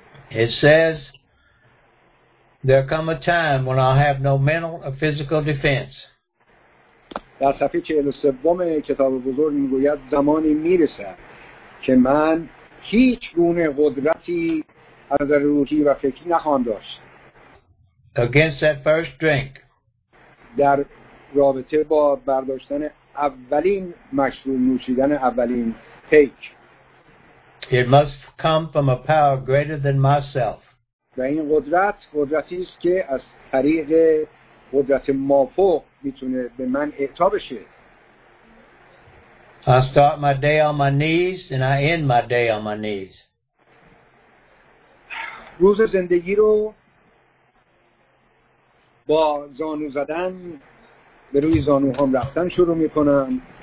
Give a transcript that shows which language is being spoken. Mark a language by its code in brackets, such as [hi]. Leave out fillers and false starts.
[en] It says there come a time when I have no mental or physical defense. [fa] در صفحه 43 کتاب بزرگ میگوید زمانی میرسد که من هیچ گونه قدرتی از نظر روحی و فکری نخواهم داشت. [en] Against that first drink. [fa] در رابطه با برداشتن اولین مشروب نوشیدن اولین پیک. [en] It must come from a power greater than myself. [fa] و این قدرت قدرتی است که از طریق قدرت مافوق میتونه به من اعطا بشه. [en] I start my day on my knees and I end my day on my knees. [fa] روز زندگی رو با زانو زدن به روی زانوهام رفتن شروع می کنم